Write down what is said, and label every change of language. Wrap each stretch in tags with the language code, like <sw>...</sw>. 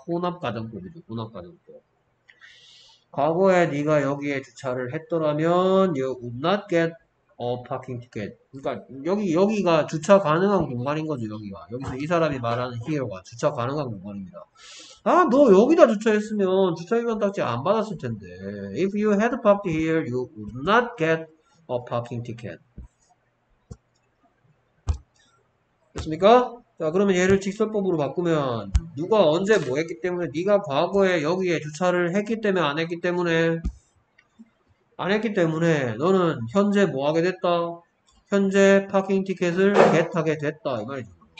<ko>혼합 가정법이죠. 혼합 가정법. 과거에 네가 여기에 주차를 했더라면</ko> <en>you would not get a parking ticket.</en> <ko>그러니까 여기가 주차 가능한 공간인 거죠. 여기서 이 사람이 말하는 히어로가 주차 가능한 공간입니다. 아, 너 여기다 주차했으면 주차위반 딱지 안 받았을 텐데.</ko> <en>If you had parked here, you would not get a parking ticket.</en> <ko>됐습니까? 자, 그러면 얘를 직설법으로 바꾸면 누가 언제 뭐 했기 때문에 네가 과거에 여기에 주차를 했기 때문에 안 했기 때문에 너는 현재 뭐 하게 됐다? 현재 파킹 티켓을 겟하게 됐다 이 말이죠.</ko>